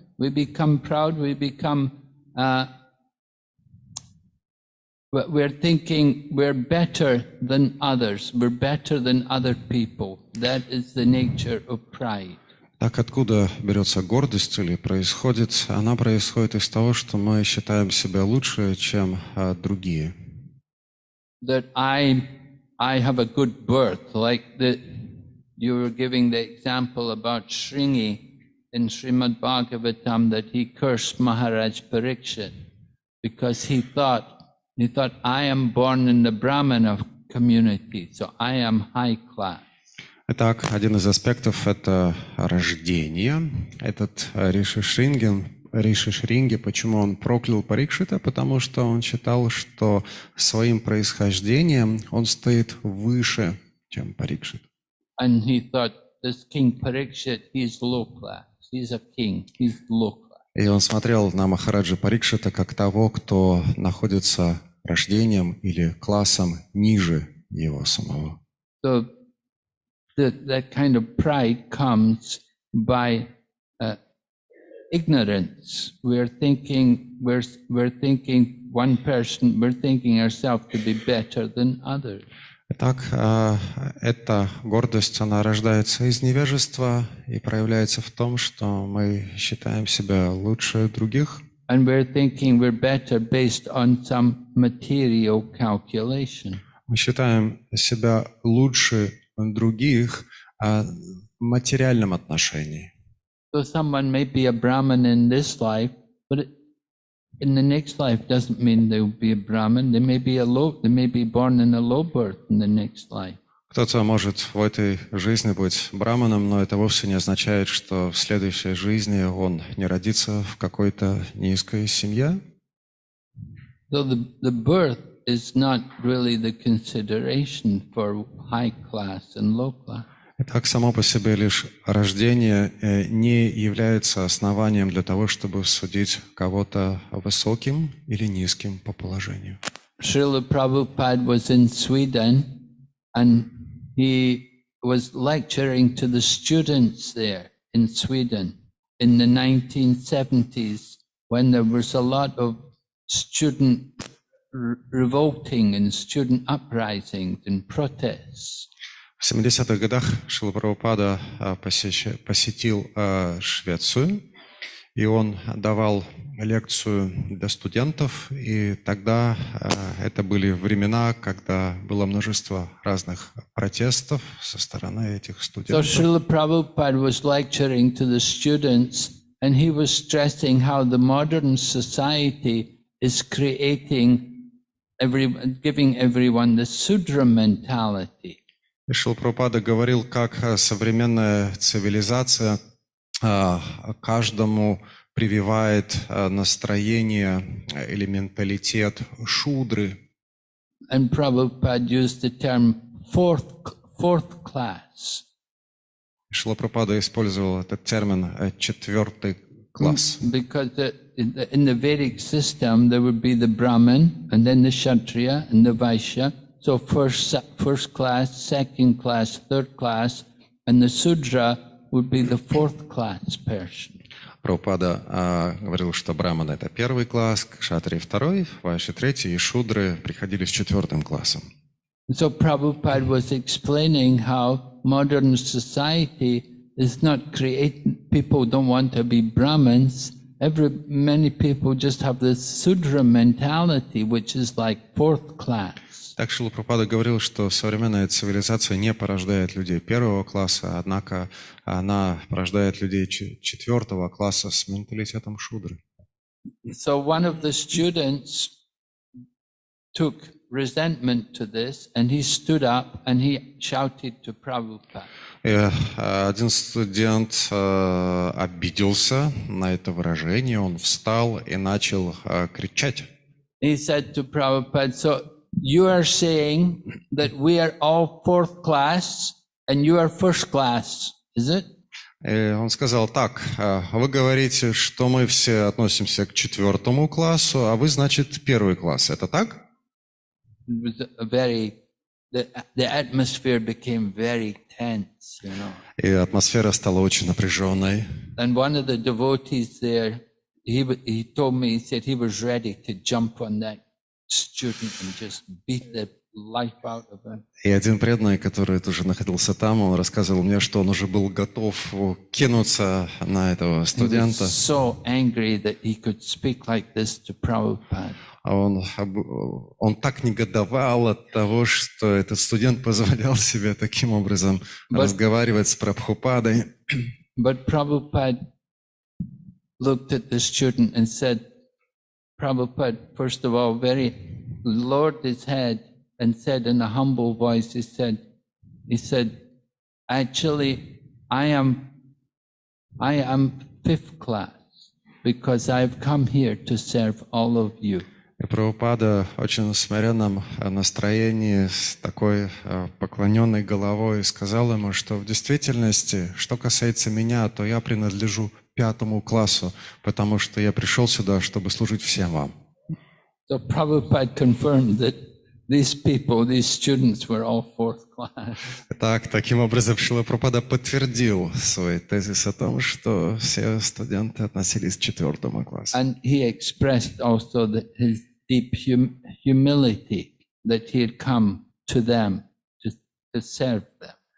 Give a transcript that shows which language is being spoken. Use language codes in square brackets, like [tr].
[en] We become proud, we're thinking we're better than others, we're better than other people. That is the nature of pride. [ru] Так откуда берется гордость или происходит? Она происходит из того, что мы считаем себя лучше, чем другие. [en] That I have a good birth, like you were giving the example about Sringi in Srimad Bhagavatam, that he cursed Maharaj Parikshit because he thought I am born in the Brahmana community, so I am high class. [ru] Итак, один из аспектов – это рождение. Этот Риши Шринги, почему он проклял Парикшита? Потому что он считал, что своим происхождением он стоит выше, чем Парикшит. [en] And he thought, this king Parikshit, he's low class. He's a king. He's low class. [ru] И он смотрел на Махараджа Парикшита как того, кто находится рождением или классом ниже его самого. [en] That kind of pride comes by ignorance. We're thinking ourselves to be better than others. [ru] Итак, эта гордость, она рождается из невежества и проявляется в том, что мы считаем себя лучше других. [en] And we're thinking we're better based on some material calculation. [ru] Мы считаем себя лучше других материальном отношении. [en] So someone may be a brahman in this life, but in the next life doesn't mean they will be a brahman. They may be born in a low birth in the next life. [ru] Кто-то может в этой жизни быть брахманом, но это вовсе не означает, что в следующей жизни он не родится в какой-то низкой семье. [en] So the birth is not really the consideration for high class and low class. [ru] Итак, само по себе лишь рождение не является основанием для того, чтобы судить кого-то высоким или низким по положению. [en] Srila Prabhupada was in Sweden, and he was lecturing to the students there in Sweden in the 1970s, when there was a lot of student revolting and student uprisings and protests. [ru] В 70-х годах Шрила Прабхупада посетил Швецию, и он давал лекцию для студентов, и тогда это были времена, когда было множество разных протестов со стороны этих студентов. [en] So Srila Prabhupada was lecturing to the students, and he was stressing how the modern society is creating giving everyone the sudra mentality. [ru] Шрила Прабхупада говорил, как современная цивилизация каждому прививает настроение или менталитет шудры. [en] And Prabhupada used the term fourth class. [ru] Шрила Прабхупада использовал этот термин четвертый класс. [en] Because in the Vedic system there would be the Brahmin and then the Kshatriya and the Vaishya. So first class, second class, third class, and the Sudra would be the fourth class person. [ru] Прабхупада говорил, что Брахман это первый класс, Кшатрия второй, Вайши третий и Шудры приходили с четвертым классом. [en] So Prabhupada was explaining how modern society is not created. People don't want to be Brahmins. Many people just have this Sudra mentality, which is like fourth class. [ru] Так Шрила Прабхупада говорил, что современная цивилизация не порождает людей первого класса, однако она порождает людей четвертого класса с менталитетом шудры. [en] So one of the students took resentment to this, and he stood up and he shouted to Prabhupada. [ru] Один студент обиделся на это выражение, он встал и начал кричать. [en] He said to Prabhupada, so you are saying that we are all fourth class and you are first class, is it? [ru] Он сказал, так, вы говорите, что мы все относимся к четвертому классу, а вы, значит, первый класс, это так? [en] The atmosphere became very tense, you know. [ru] И атмосфера стала очень напряженной. [en] And one of the devotees there, he told me, he said he was ready to jump on that student and just beat the life out of him. [ru] И один преданный, который тоже находился там, он рассказывал мне, что он уже был готов кинуться на этого студента. [en] He was so angry that he could speak like this to Prabhupada. [ru] Он так негодовал от того, что этот студент позволял себе таким образом разговаривать с Прабхупадой. [en] But Prabhupada looked at the student and said, Prabhupada, first of all, very lowered his head and said in a humble voice, he said, actually, I am fifth class because I've come here to serve all of you. [ru] И Прабхупада очень в смиренном настроении, с такой поклоненной головой, сказал ему, что в действительности, что касается меня, то я принадлежу пятому классу, потому что я пришел сюда, чтобы служить всем вам. [en] So Prabhupada confirmed that these people, these students were all fourth class. [ru] Так, таким образом, Шрила Прабхупада подтвердил свой тезис о том, что все студенты относились к четвертому классу. [en] And he expressed also that his deep humility that he had come to them to serve them.